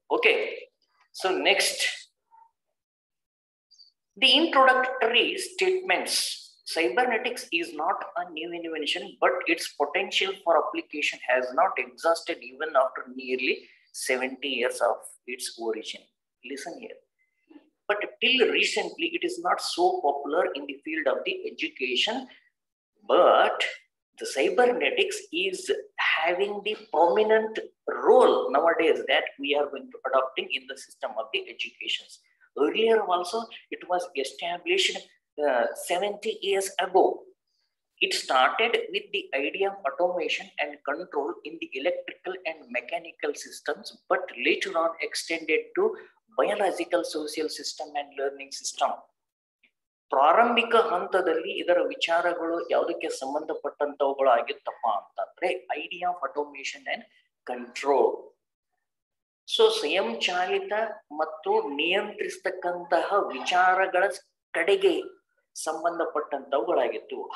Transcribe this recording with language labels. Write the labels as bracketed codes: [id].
[en] Okay, so next the introductory statements. Cybernetics is not a new invention but its potential for application has not exhausted even after nearly 70 years of its origin. Listen here, but till recently it is not so popular in the field of the education, but the cybernetics is having the prominent role nowadays that we are going to adopting in the system of the educations. Earlier also it was established 70 years ago. It started with the idea of automation and control in the electrical and mechanical systems, but later on extended to biological, social system and learning system. [kn] ಪ್ರಾರಂಭಿಕ ಹಂತದಲ್ಲಿ ಇದರ ವಿಚಾರಗಳು ಯಾವುದಕ್ಕೆ ಸಂಬಂಧಪಟ್ಟಂತವುಗಳು ಆಗಿತ್ತಪ್ಪ ಅಂತಂದ್ರೆ [en] Idea of automation and control. [kn] So ಸ್ವಯಂಚಾಲಿತ ಮತ್ತು ನಿಯಂತ್ರಿಸತಕ್ಕಂತಹ ವಿಚಾರಗಳ ಕಡೆಗೆ ಸಂಬಂಧಪಟ್ಟಂತವುಗಳಾಗಿತ್ತು.